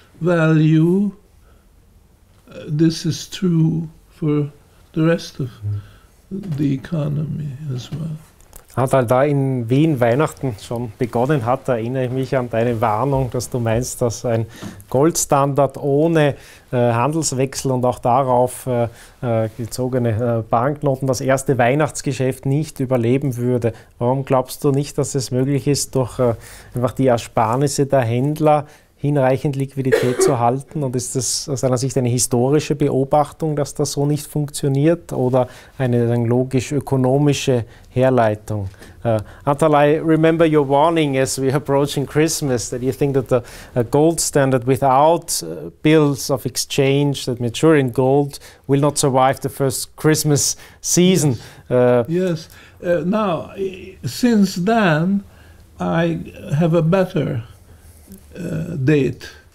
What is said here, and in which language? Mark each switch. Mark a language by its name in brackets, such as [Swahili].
[English] value, this is true for the rest of the economy as well. [German] Antal, da in Wien Weihnachten schon begonnen hat, erinnere ich mich an deine Warnung, dass du meinst, dass ein Goldstandard ohne Handelswechsel und auch darauf gezogene Banknoten das erste Weihnachtsgeschäft nicht überleben würde. Warum glaubst du nicht, dass es möglich ist, durch einfach die Ersparnisse der Händler hinreichend Liquidität zu halten? Und ist das aus deiner Sicht eine historische Beobachtung, dass das so nicht funktioniert, oder eine logisch-ökonomische Herleitung? [English] Antal, I remember your warning as we approaching Christmas, that you think that the gold standard without bills of exchange that mature in gold will not survive the first Christmas season. Yes. Now, since then, I have a better date.